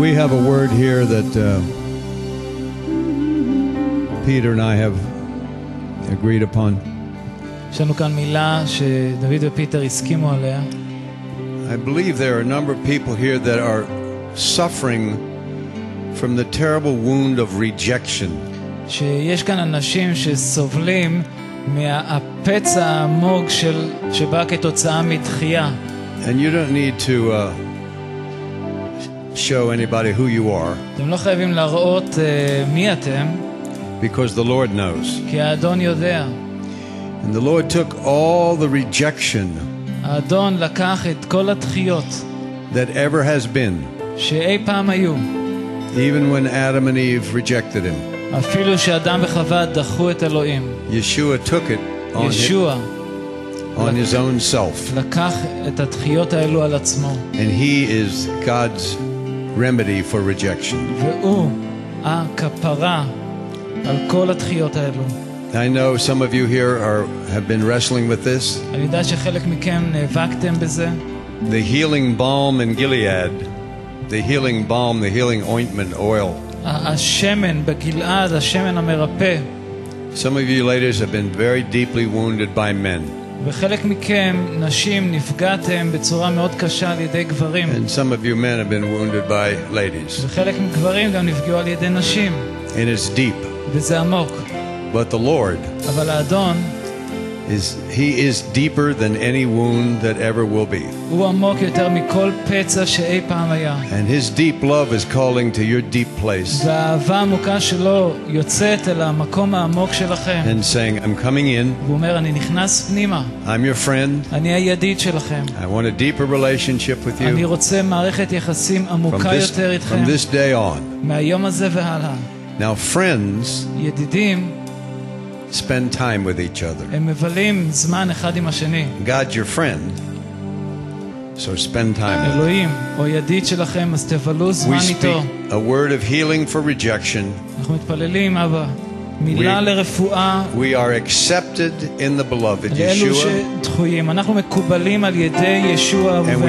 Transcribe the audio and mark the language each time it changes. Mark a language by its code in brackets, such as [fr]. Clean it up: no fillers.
[en] We have a word here that Peter and I have agreed upon. I believe there are a number of people here that are suffering from the terrible wound of rejection. [he] שיש כאן אנשים שסובלים מהפצע העמוק של שבא כתוצאה מדחייה. [en] And you don't need to show anybody who you are. [he] אתם לא חייבים להראות מי אתם. [en] Because the Lord knows. [he] כי האדון יודע. [en] And the Lord took all the rejection. [he] האדון לקח את כל הדחיות. [en] That ever has been. [he] שאי פעם היו. [en] Even when Adam and Eve rejected him. [he] אפילו שאדם וחווה דחו את אלוהים. [en] Yeshua took it on his own self. [he] לקח את הדחיות האלו על עצמו. [en] And he is God's remedy for rejection. [he] והוא הכפרה על כל הדחיות האלו. [en] I know some of you here have been wrestling with this. [he] אני יודע שחלק מכם נאבקתם בזה. [en] The healing balm in Gilead. The healing balm, the healing ointment, oil. [he] השמן בגלעד, השמן המרפא. [en] Some of you ladies have been very deeply wounded by men. [he] וחלק מכם, נשים, נפגעתם בצורה מאוד קשה על ידי גברים. [en] And some of you men have been wounded by ladies. [he] וחלק מגברים גם נפגעו על ידי נשים. [en] And it's deep. [he] וזה עמוק. [en] But the Lord, [he] אבל האדון, [en] he is deeper than any wound that ever will be. [he] הוא עמוק יותר מכל פצע שאי פעם היה. [en] And his deep love is calling to your deep place. [he] והאהבה העמוקה שלו יוצאת אל המקום העמוק שלכם. [en] And saying, I'm coming in. [he] הוא אומר, אני נכנס פנימה. [en] I'm your friend. [he] אני הידיד שלכם. [en] I want a deeper relationship with you. [he] אני רוצה מערכת יחסים עמוקה יותר איתכם. [en] From this day on. [he] מהיום הזה והלאה. [en] Now friends, [he] ידידים, [en] spend time with each other. [he] הם מבלים זמן אחד עם השני. [en] God, your friend. So spend time. [he] אלוהים, או ידיד שלכם, אז תבלו זמן איתו. [en] We speak a word of healing for rejection. [he] אנחנו מתפללים, אבא, מילה לרפואה. [en] We are accepted in the beloved Yeshua. [he] אלו שדחויים, אנחנו מקובלים על ידי ישוע אהובנו.